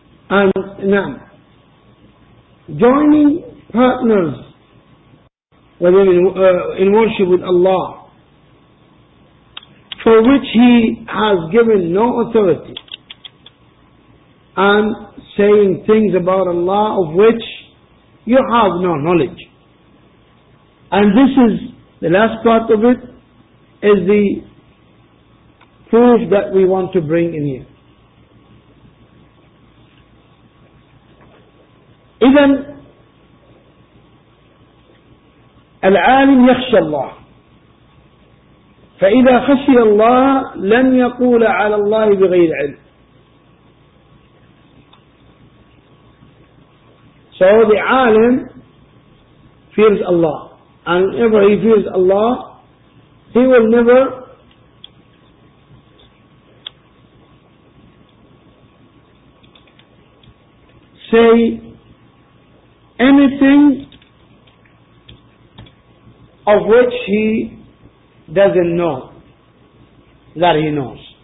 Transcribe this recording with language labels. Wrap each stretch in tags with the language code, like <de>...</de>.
<en>And now, joining partners in worship with Allah, for which He has given no authority, and saying things about Allah of which you have no knowledge. And this is the last part of it, is the proof that we want to bring in here.</en> <ar>إذن العالم يخشى الله فإذا خشي الله لن يقول على الله بغير علم.</ar> <en>So the عالم fears Allah, and whenever he fears Allah he will never say anything of which he doesn't know that he knows.</en>